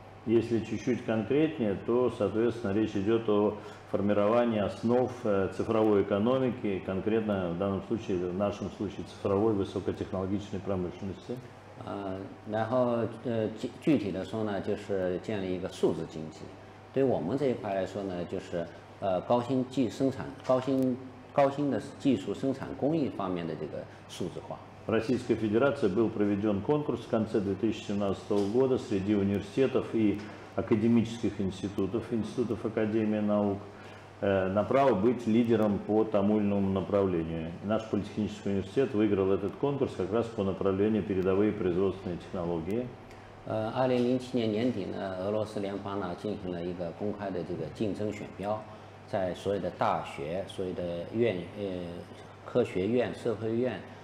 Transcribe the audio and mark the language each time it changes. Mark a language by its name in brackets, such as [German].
[Russian] Если чуть-чуть конкретнее, то, соответственно, речь идет о формировании основ цифровой экономики, конкретно в данном случае, в нашем случае, цифровой высокотехнологичной промышленности. [Chinese] 然后具体的说呢，就是建立一个数字经济。对我们这一块来说呢，就是高新技术生产、高新的技术生产工艺方面的这个数字化。 [Russian] В Российской Федерации был проведен конкурс в конце 2017 года среди университетов и академических институтов, институтов Академии наук, на право быть лидером по тому или иному направлению. Наш политехнический университет выиграл этот конкурс как раз по направлению передовые производственные технологии. [Chinese] 2007年年底呢，俄罗斯联邦呢进行了一个公开的这个竞争选标，在所有的大学、所有的院、科学院、社会院。